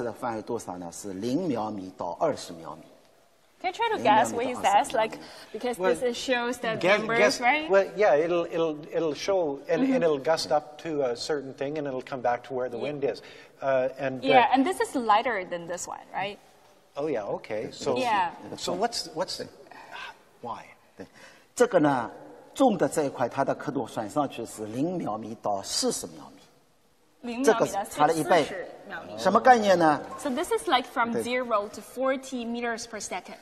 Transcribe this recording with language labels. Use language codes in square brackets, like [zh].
[zh] 这里是一个刻度表，这是刻度。轻的压板，它的刻度是观测的范围多少呢？是0毫米到20毫米。 [en] Can you try to guess what he says? Like, because this shows the numbers, right? Well, yeah, it'll show and it'll gust up to a certain thing and it'll come back to where the wind is. And this is lighter than this one, right? Oh yeah, okay. So what's the why? [zh] 这个呢，重的这一块，它的刻度算上去是0毫米到40毫米，这个差了一倍。什么概念呢？So [en] this is like from 0 to 40 meters per second.